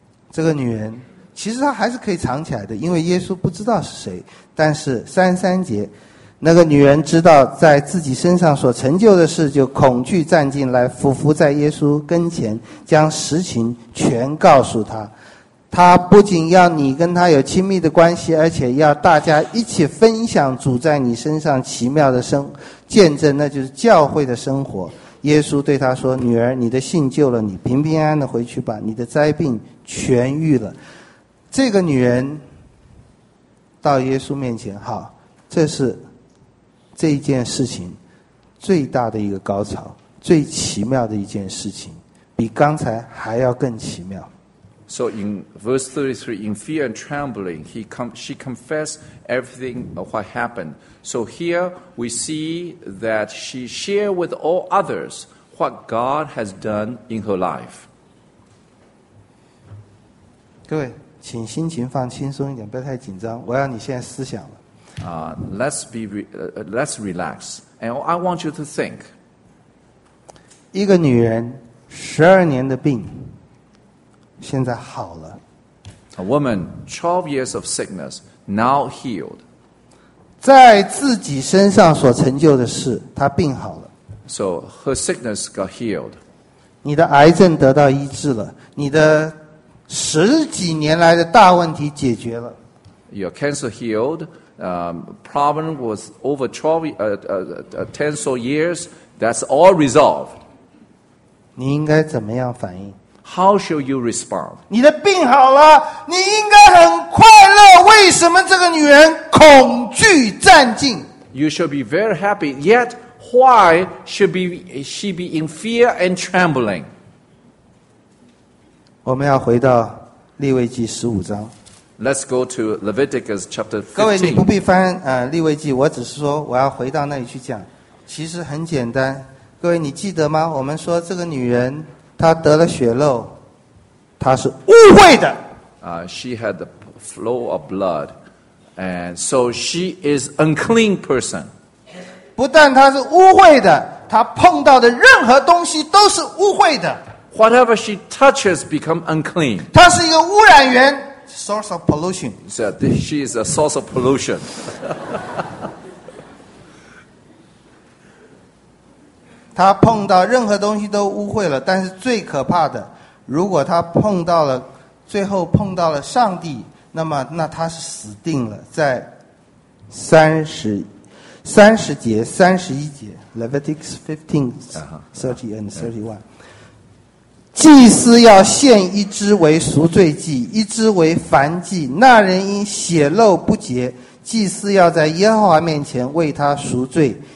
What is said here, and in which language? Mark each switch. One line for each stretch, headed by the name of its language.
Chinese: 这个女人其实他还是可以藏起来的，因为耶稣不知道是谁。但是三三节，那个女人知道在自己身上所成就的事，就恐惧站进来，俯伏在耶稣跟前，将实情全告诉他。他不仅要你跟他有亲密的关系，而且要大家一起分享主在你身上奇妙的生见证，那就是教会的生活。耶稣对他说，女儿，你的信救了你，平平安安的回去吧，你的灾病痊愈了。这个女人到耶稣面前，好，这是这一件事情最大的一个高潮，最奇妙的一件事情，比刚才还要更奇妙。
English: So in verse 33, in fear and trembling, she confessed everything what happened. So here we see that she shared with all others what God has done in her life.
Chinese: 各位，请心情放轻松一点，不要太紧张。我要你现在思想了。
English: Let's relax. And I want you to think.
Chinese: 一个女人12年的病现在好了。
English: A woman, 12 years of sickness, now healed.
Chinese: 在自己身上所成就的事，她病好了。
English: So her sickness got healed.
Chinese: 你的癌症得到医治了，你的十几年来的大问题解决了。
English: Your cancer healed. Problem was over 10 so years, that's all resolved.
Chinese: 你应该怎么样反应？
English: How shall you respond?
Chinese: 你的病好了，你应该很快乐。为什么这个女人恐惧战兢？
English: You shall be very happy. Yet, why should she be in fear and trembling?
Chinese: 我们要回到利未记十五章。
English: Let's go to Leviticus chapter 15.
Chinese: 各位，你不必翻利未记，我只是说我要回到那里去讲。其实很简单，各位，你记得吗？我们说这个女人，她得了血漏，她是污秽的。
English: She had the flow of blood, and so she is unclean person.
Chinese: 不但她是污秽的，她碰到的任何东西都是污秽的。
English: Whatever she touches become unclean.
Chinese: 她是一个污染源 ，
English: source of pollution. So she is a source of pollution.
Chinese: 他碰到任何东西都污秽了，但是最可怕的，如果他碰到了，最后碰到了上帝，那他是死定了。在三十节三十一节
English: Leviticus 15 30 and 31、
Chinese: 祭司要献一只为赎罪祭，一只为燔祭，那人因血漏不洁，祭司要在耶和华面前为他赎罪。